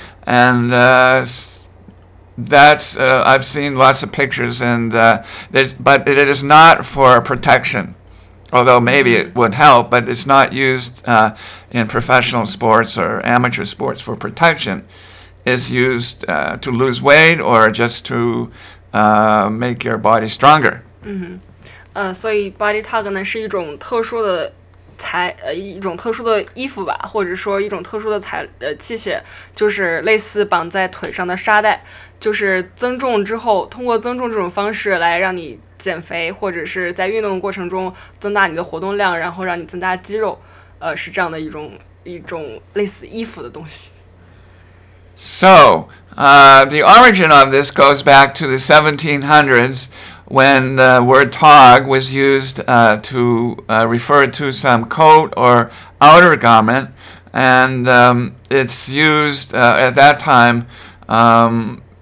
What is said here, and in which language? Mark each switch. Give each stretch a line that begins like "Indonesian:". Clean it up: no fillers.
English: And I've seen lots of pictures, but it is not for protection. Although maybe it would help, but it's not used in professional sports or amateur sports for protection. It's used to lose weight or just to make your body stronger. Mm-hmm.
Chinese: 所以 body tag 呢是一种特殊的衣服吧，或者说一种特殊的器械，就是类似绑在腿上的沙带，就是增重之后，通过增重这种方式来让你减肥，或者是在运动过程中增大你的活动量，然后让你增大肌肉，是这样的一种类似衣服的东西。
English: So, the origin of this goes back to the 1700s, when the word tog was used refer to some coat or outer garment, and it's used at that time.